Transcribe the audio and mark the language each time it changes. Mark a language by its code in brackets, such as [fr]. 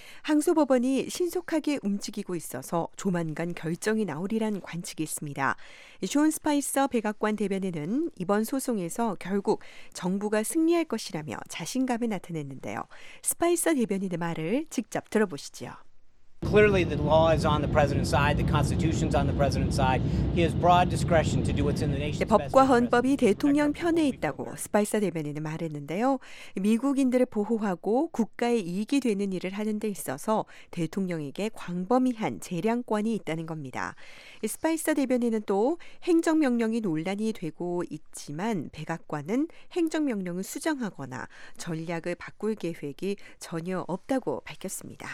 [ko] 항소법원이 신속하게 움직이고 있어서 조만간 결정이 나오리란 관측이 있습니다. 숀 스파이서 백악관 대변인은 이번 소송에서 결국 정부가 승리할 것이라며 자신감을 나타냈는데요. 스파이서 대변인의 말을 직접 들어보시죠. [en] Clearly the law is on the president's side. The constitution's on the president's side. He has broad discretion to do what's in the nation's best. [ko] 법과 헌법이 대통령 편에 있다고 스파이서 대변인은 말했는데요. 미국인들을 보호하고 국가의 이익이 되는 일을 하는 데 있어서 대통령에게 광범위한 재량권이 있다는 겁니다. 스파이서 대변인은 또 행정명령이 논란이 되고 있지만 백악관은 행정명령을 수정하거나 전략을 바꿀 계획이 전혀 없다고 밝혔습니다.